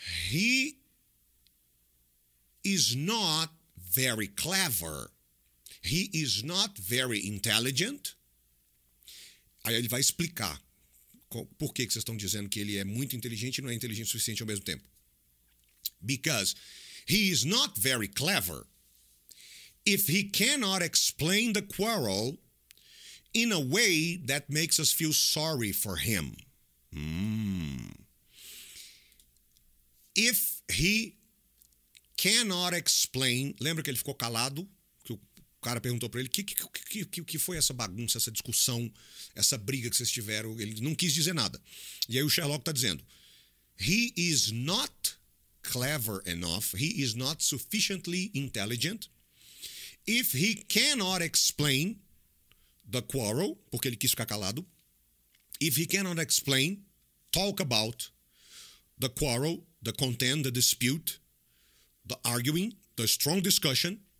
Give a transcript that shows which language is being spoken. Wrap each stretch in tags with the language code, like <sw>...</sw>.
<en>He is not very clever. He is not very intelligent.</en> <pt>Aí ele vai explicar por que vocês estão dizendo que ele é muito inteligente e não é inteligente o suficiente ao mesmo tempo?</pt> <en>Because he is not very clever if he cannot explain the quarrel in a way that makes us feel sorry for him. If he cannot explain...</en> <pt>Lembra que ele ficou calado? Que o cara perguntou para ele, que foi essa bagunça, essa discussão, essa briga que vocês tiveram? Ele não quis dizer nada. E aí o Sherlock está dizendo,</pt> <en>he is not clever enough, he is not sufficiently intelligent, if he cannot explain the quarrel,</en> <pt>porque ele quis ficar calado,</pt> <en>if he cannot explain, talk about the quarrel, the contend, the dispute, the arguing, the strong discussion,</en>